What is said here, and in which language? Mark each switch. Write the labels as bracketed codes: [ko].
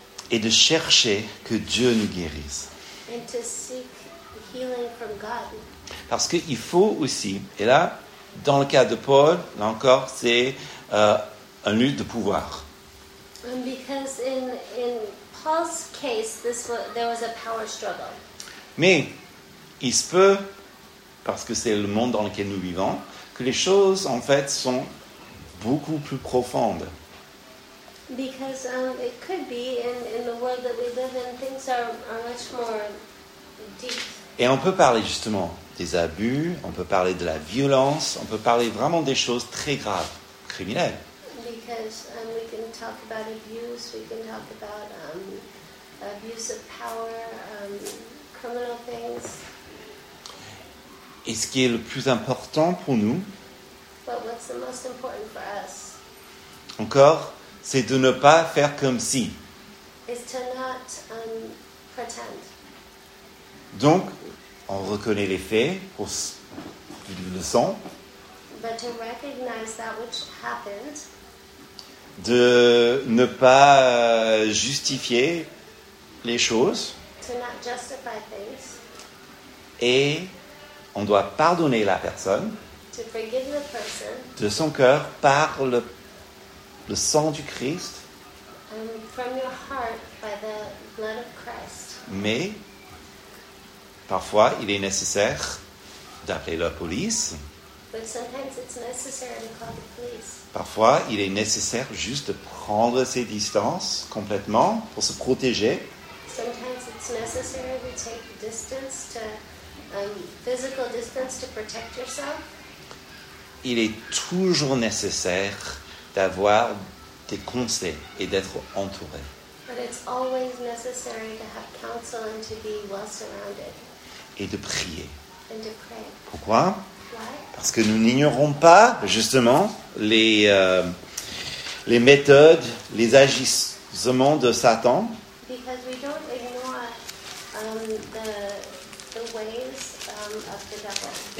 [fr] Et de chercher que Dieu nous guérisse. [en] And to seek healing from God. [fr] Parce qu'il faut aussi, et là, dans le cas de Paul, là encore, c'est une lutte de pouvoir. [en] Because in Paul's case, there was a power struggle. [fr] Mais il se peut, parce que c'est le monde dans lequel nous vivons, que les choses, en fait, sont beaucoup plus profondes. [en] Because it could be, in the world that we live in, things are much more deep. [fr] Et on peut parler justement des abus, on peut parler de la violence, on peut parler vraiment des choses très graves, criminelles. [en] Because we can talk about abuse, we can talk about abuse of power, criminal things. [fr] Et ce qui est le plus important pour nous, [en] but what's the most important for us? [fr] Encore, c'est de ne pas faire comme si. [en] Is to not pretend. [fr] Donc, on reconnaît les faits pour qu'ils le sont. [en] But to recognize that which happened. [fr] De ne pas justifier les choses. [en] To not justify things. [fr] Et on doit pardonner la personne. [en] To forgive the person. [fr] De son cœur par le sang du Christ. [en] From your heart by the blood of Christ. [fr] Mais parfois, il est nécessaire d'appeler la police. [en] But sometimes it's necessary to call the police. [fr] Parfois, il est nécessaire juste de prendre ses distances complètement pour se protéger. [en] Sometimes it's necessary to take distance to physical distance to protect yourself. [fr] Il est toujours nécessaire d'avoir des conseils et d'être entouré. [en] But it's always necessary to have counsel and to be well surrounded. [fr] Et de prier. [en] And to pray. [fr] Pourquoi? [en] Why? [fr] Parce que nous n'ignorons pas, justement, les méthodes, les agissements de Satan. [en] Because we don't ignore the ways of the devil.